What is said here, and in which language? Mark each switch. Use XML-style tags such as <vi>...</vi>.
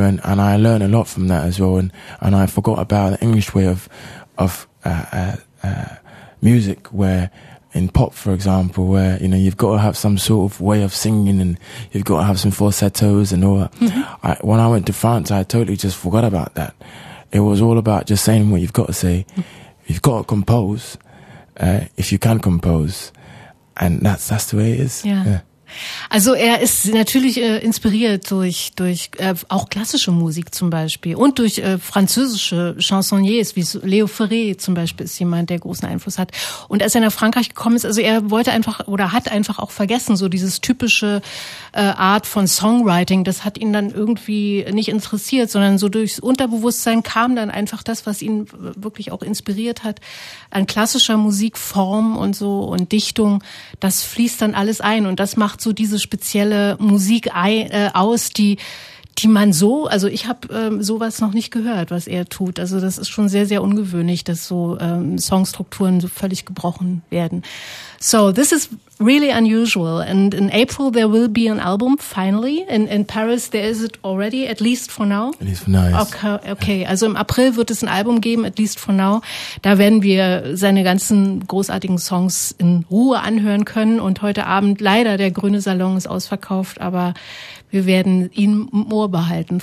<en>And I learned a lot from that as well. And I forgot about the English way of music, where in pop, for example, where you know you've got to have some sort of way of singing, and you've got to have some falsettos and all that. Mm-hmm. When I went to France, I totally just forgot about that. It was all about just saying what you've got to say. You've got to compose if you can compose. And that's the way it is. Yeah.</en> <de>Also er ist natürlich inspiriert durch auch klassische Musik zum Beispiel und durch französische Chansonniers, wie Leo Ferré zum Beispiel ist jemand, der großen Einfluss hat. Und als er nach Frankreich gekommen ist, also er wollte einfach oder hat einfach auch vergessen, so dieses typische Art von Songwriting, das hat ihn dann irgendwie nicht interessiert, sondern so durchs Unterbewusstsein kam dann einfach das, was ihn wirklich auch inspiriert hat, an klassischer Musikform und so und Dichtung, das fließt dann alles ein und das macht so diese spezielle Musik aus, die man so, also ich habe sowas noch nicht gehört, was er tut. Also das ist schon sehr, sehr ungewöhnlich, dass so Songstrukturen so völlig gebrochen werden.</de> <en>So, this is really unusual. And in April there will be an album, finally. In Paris there is it already, at least for now. At least for now, yes.</en> <de>Okay, also im April wird es ein Album geben,</de> <en>at least for now.</en> <de>Da werden wir seine ganzen großartigen Songs in Ruhe anhören können. Und heute Abend, leider, der Grüne Salon ist ausverkauft, aber wir werden ihn im Ohr behalten.</de>